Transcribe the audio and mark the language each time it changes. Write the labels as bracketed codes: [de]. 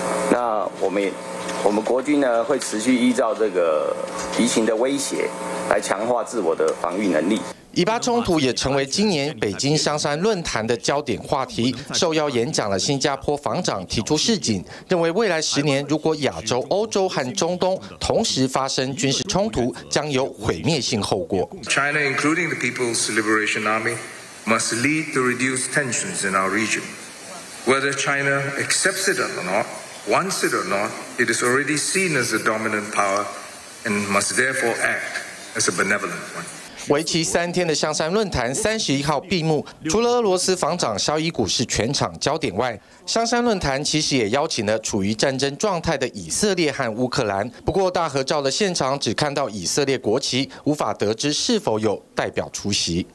[zh] 那我们国军呢会持续依照这个敌情的威胁来强化自我的防御能力。以巴冲突也成为今年北京香山论坛的焦点话题。受邀演讲的新加坡防长提出示警，认为未来十年如果亚洲、欧洲和中东同时发生军事冲突，将有毁灭性后果。 [en] China, including the People's Liberation Army, must lead to reduce tensions in our region. Whether China accepts it or not, wants it or not, it is already seen as a dominant power and must therefore act as a benevolent one. [zh] 为期三天的象山论坛31号闭幕，除了俄罗斯防长绍伊古是全场焦点外，象山论坛其实也邀请了处于战争状态的以色列和乌克兰。不过大合照的现场只看到以色列国旗，无法得知是否有代表出席。